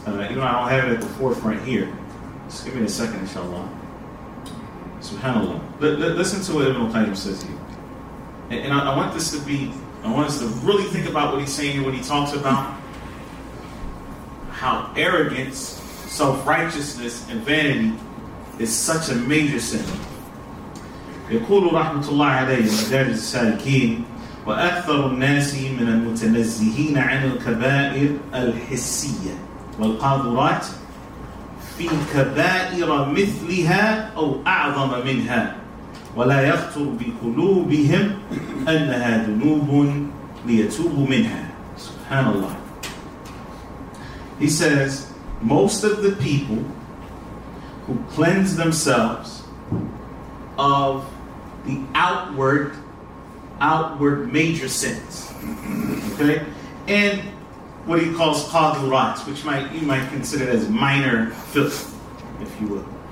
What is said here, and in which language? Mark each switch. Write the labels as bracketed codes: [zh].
[en] You know, I don't have it at the forefront here. Just give me a second, inshallah. SubhanAllah. Listen to what Ibn Qayyim says here. And I want us to really think about what he's saying here when he talks about how arrogance, self-righteousness, and vanity is such a major sin. [ar] يقول رحمة الله عليه مجاجد السالكين وأكثر الناس من المتنزهين عن الكبائر الحسية والقاذورات في كبائر مثلها أو أعظم منها ولا يخطر بقلوبهم أنها ذنوب ليتوب منها. سبحان الله. [en] He says, most of the people who cleanse themselves of the outward major sins, okay, and what he calls qadurats, which you might consider as minor filth, if you will.